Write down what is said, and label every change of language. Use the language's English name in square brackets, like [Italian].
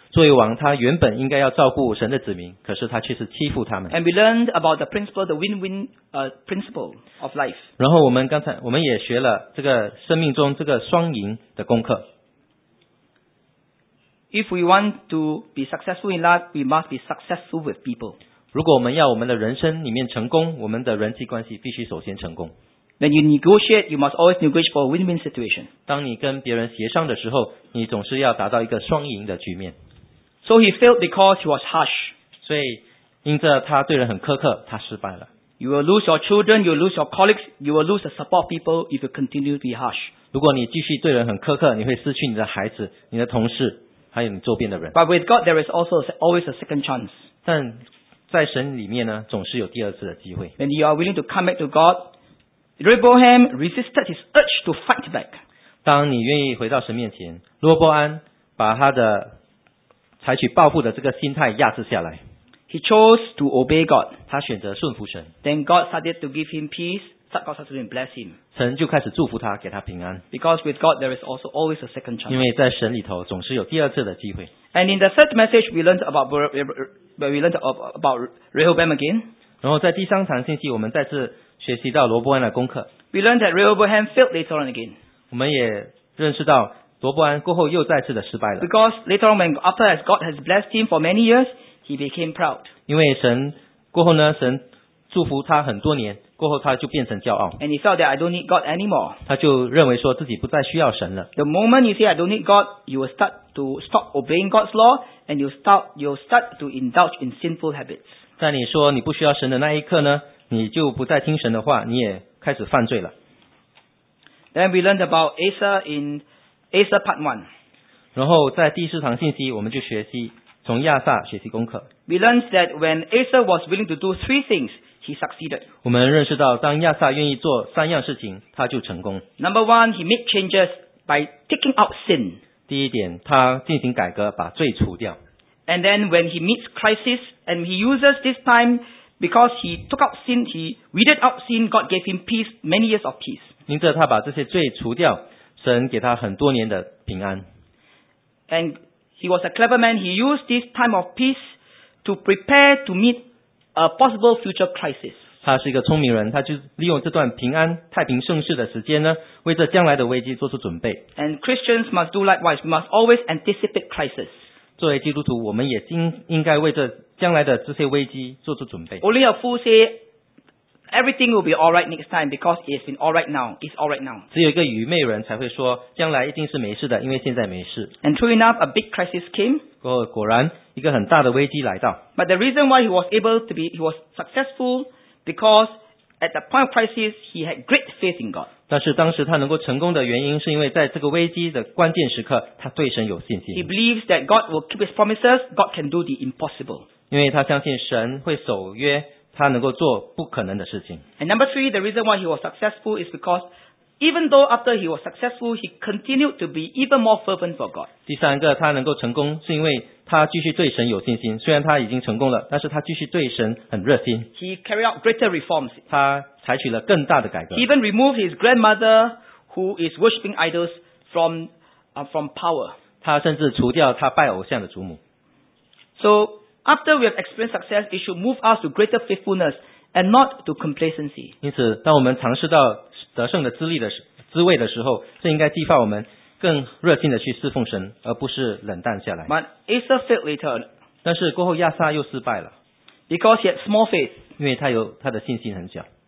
[Chinese] 作为王，他原本应该要照顾神的子民，可是他却是欺负他们。 [English] And we learned about the principle, the win-win principle of life. [Chinese] 然后我们也学了这个生命中这个双赢的功课。 [English] If we want to be successful in life, we must be successful with people. [Chinese] 如果我们要我们的人生里面成功，我们的人际关系必须首先成功。 [English] When you negotiate, you must always negotiate for a win-win situation. [Chinese] 当你跟别人协商的时候，你总是要达到一个双赢的局面。 [English] So he failed because he was harsh. [Chinese] 所以因着他对人很苛刻，他失败了。 [English] You will lose your children, you will lose your colleagues, you will lose the support people if you continue to be harsh. [Chinese] 如果你继续对人很苛刻，你会失去你的孩子、你的同事，还有你周边的人。 [English] But with God, there is also always a second chance. [Chinese] 但在神里面呢，总是有第二次的机会。 [English] When you are willing to come back to God,Rehoboam resisted his urge to fight back. [Chinese] 当你愿意回到神面前，罗伯安把他的采取报复的这个心态压制下来。 [English] He chose to obey God. [Chinese] 他选择顺服神。 [English] Then God started to give him peace. God started to bless him. [Chinese] 神就开始祝福他，给他平安。 [English] Because with God there is also always a second chance. [Chinese] 因为在神里头总是有第二次的机会。 [English] And in the third message we learned about Rehoboam again. [Chinese] 然后在第三堂信息我们再次。学习到罗伯安的功课。 [English] We learned that Rehoboam failed later on again. [Chinese] 我们也认识到罗伯安过后又再次的失败了。 [English] Because later on, when after as God has blessed him for many years, he became proud. [Chinese] 因为神过后呢，神祝福他很多年，过后他就变成骄傲。 [English] And he felt that I don't need God anymore. [Chinese] 他就认为说自己不再需要神了。 [English] The moment you say I don't need God, you will start to stop obeying God's law, and you start to indulge in sinful habits. [Chinese] 在你说你不需要神的那一刻呢？你就不再听神的话，你也开始犯罪了。 [English] Then we learned about Asa in Asa Part One. [Chinese] 然后在第四堂信息，我们就学习从亚萨学习功课。 [English] We learned that when Asa was willing to do three things, he succeeded. [Chinese] 我们认识到，当亚萨愿意做三样事情，他就成功。 [English] Number one, he made changes by taking out sin. [Chinese] 第一点，他进行改革，把罪除掉。 [English] And then when he meets crisis, and he uses this time. Because he took out sin, he weeded out sin, God gave him peace, many years of peace. [Chinese] 因着他把这些罪除掉，神给他很多年的平安。 [English] And he was a clever man. He used this time of peace to prepare to meet a possible future crisis. [Chinese] 他是一个聪明人，他就利用这段平安、太平盛世的时间呢，为这将来的危机做出准备。 [English] And Christians must do likewise. We must always anticipate crisis. [Chinese] 作为基督徒，我们也应该为这将来的这些危机做出准备。 [English] Only a fool say everything will be all right next time because it's been all right now. It's all right now. [Chinese] 只有一个愚昧人才会说将来一定是没事的，因为现在没事。 [English] And true enough, a big crisis came. [Chinese] 果然一个很大的危机来到。 [English] But the reason why he was successful because at the point of crisis he had great faith in God. [Chinese] 但是当时他能够成功的原因是因为在这个危机的关键时刻他对神有信心。 [English] He believes that God will keep his promises, God can do the impossible. [Chinese] 因为他相信神会守约，他能够做不可能的事情。 [English] And number three, the reason why he was successful is because even though after he was successful, he continued to be even more fervent for God. [Chinese] 第三个他能够成功是因为他继续对神有信心，虽然他已经成功了，但是他继续对神很热心。 [English] He carried out greater reforms. [Chinese] 他采取了更大的改革。 [English] He even removed his grandmother, who is worshipping idols, from power. [Chinese] 他甚至除掉他拜偶像的祖母。 [English] So after we have experienced success, it should move us to greater faithfulness and not to complacency. [Chinese] 因此，当我们尝试到得胜的滋味的时候，这应该激发我们。更热心的去侍奉神，而不是冷淡下来。 [English] But Asa failed later. [Chinese] 但是过后亚撒又失败了。 [English] Because he had small faith. [Chinese] 因为他的信心很小。